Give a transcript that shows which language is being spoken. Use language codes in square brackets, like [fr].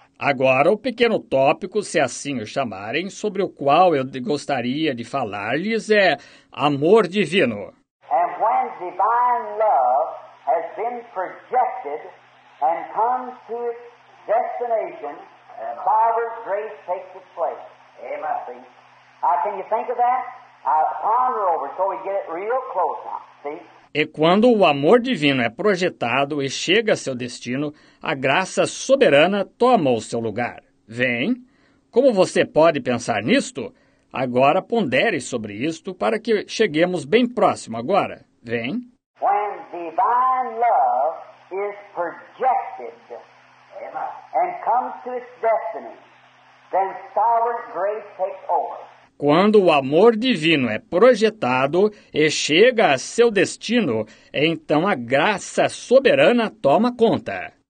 [pt] Agora o pequeno tópico, se assim o chamarem, sobre o qual eu gostaria de falar-lhes é amor divino. [en] And when divine love has been projected and comes to its destination, Father's grace takes its place. Amen. Can you think of that? Ponder over so we get it real close now. See? [pt] E quando o amor divino é projetado e chega a seu destino, a graça soberana toma o seu lugar. Vem, como você pode pensar nisto? Agora pondere sobre isto para que cheguemos bem próximo agora. Vem. [en] When divine love is projected and comes to its destiny, then sovereign grace takes over. [pt] Quando o amor divino é projetado e chega a seu destino, então a graça soberana toma conta.